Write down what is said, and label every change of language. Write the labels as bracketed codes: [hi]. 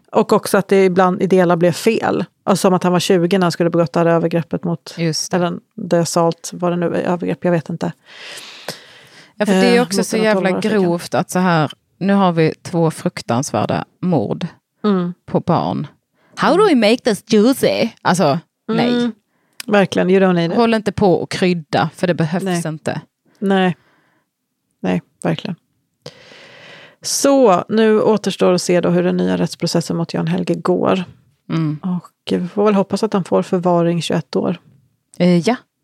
[sv] Och också att det ibland i delar blev fel. Alltså som att han var 20 när han skulle begått det här övergreppet mot, eller det salt, var det nu övergrepp, jag vet inte. Ja, för det är också så jävla grovt att så här, nu har vi två fruktansvärda mord på barn. [en] How do we make this juicy? [sv] Alltså, nej. Verkligen, [en] you don't need it. [sv] Håll inte på och krydda, för det behövs inte. Nej. Nej, verkligen. Så, nu återstår att se då hur den nya rättsprocessen mot Jan Helge går. Mm. Och vi får väl hoppas att han får förvaring 21 år. Ja.